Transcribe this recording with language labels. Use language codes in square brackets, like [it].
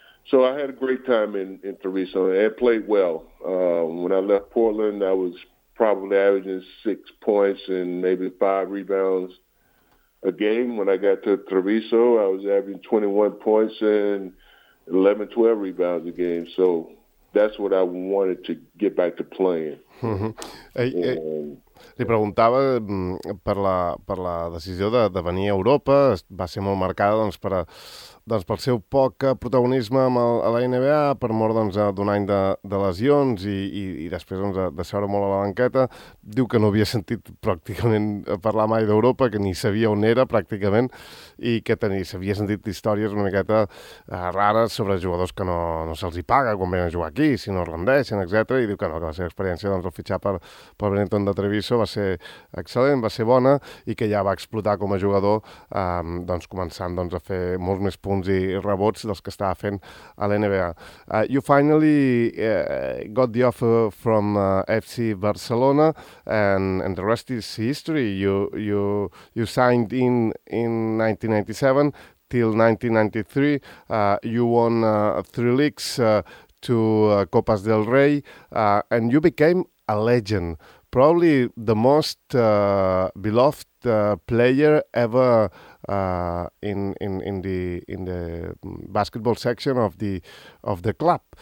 [en] So I had a great time in Treviso and played well. When I left Portland, I was probably averaging 6 points and maybe 5 rebounds a game. When I got to Treviso, I was averaging 21 points and 11, 12 rebounds a game. So that's what I wanted to get back to playing. [ca] Li preguntava per la decisió de venir a Europa. Va ser molt marcada, doncs, pel seu poc protagonisme a la NBA, per mort, doncs, d'un any de lesions i després, doncs, de seure molt a la banqueta. Diu que no havia sentit pràcticament parlar mai d'Europa, que ni sabia on era pràcticament, i que s'havia sentit històries una miqueta rares sobre jugadors que no se'ls hi paga quan venen a jugar aquí, si no rendeixen, etc. I diu que no, que la seva experiència, doncs, el fitxar per Benetton de Treviso va ser excel·lent, va ser bona, i que ja va explotar com a jugador, doncs, començant, doncs, a fer molts més punts i rebots dels que estava fent a l'NBA. [en] You finally got the offer from FC Barcelona, and the rest is history. You signed in 1997 till 1993. You won 3 leagues, 2 Copas del Rey, and you became a legend, probably the most beloved player ever in the basketball section of the club.